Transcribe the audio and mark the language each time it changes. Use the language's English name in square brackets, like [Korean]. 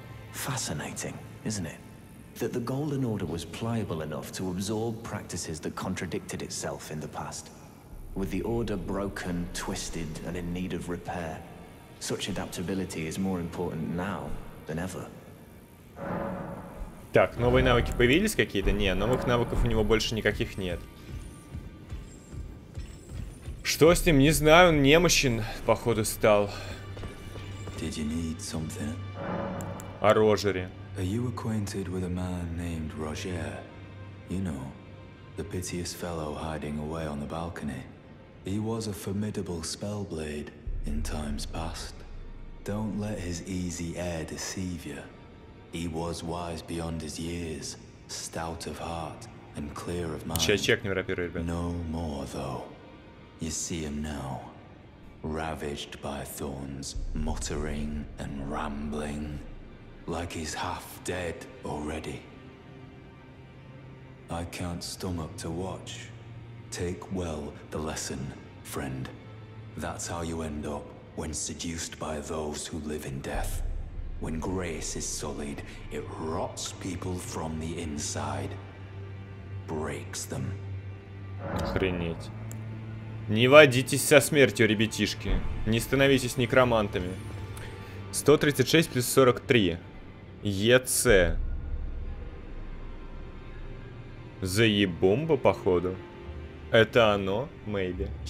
[English] Fascinating, isn't it? That the Golden Order was pliable enough to absorb practices that contradicted itself in the past. With the Order broken, twisted, and in need of repair, such adaptability is more important now than ever. [Russian] Так, новые навыки появились какие-то? Не, новых навыков у него больше никаких нет. Что с ним? Не знаю, он немощен, походу, стал. [English] Did you need something? [Russian] О Рожере. [English] Are you acquainted with a man named Roger? You know, the piteous fellow hiding away on the balcony. He was a formidable spellblade in times past. Don't let his easy air deceive you. He was wise beyond his years, stout of heart and clear of mind. No more, though. You see him now, ravaged by thorns, muttering and rambling, like he's half dead already. I can't stomach to watch. Take well the lesson, friend. That's how you end up when seduced by those who live in death. When grace is sullied, it rots people from the inside. Breaks them. [Russian] Охренеть. Не водитесь со смертью, ребятишки. Не становитесь некромантами. 136 плюс 43. ЕЦ. Заебомба, походу. Это оно? [English] Maybe.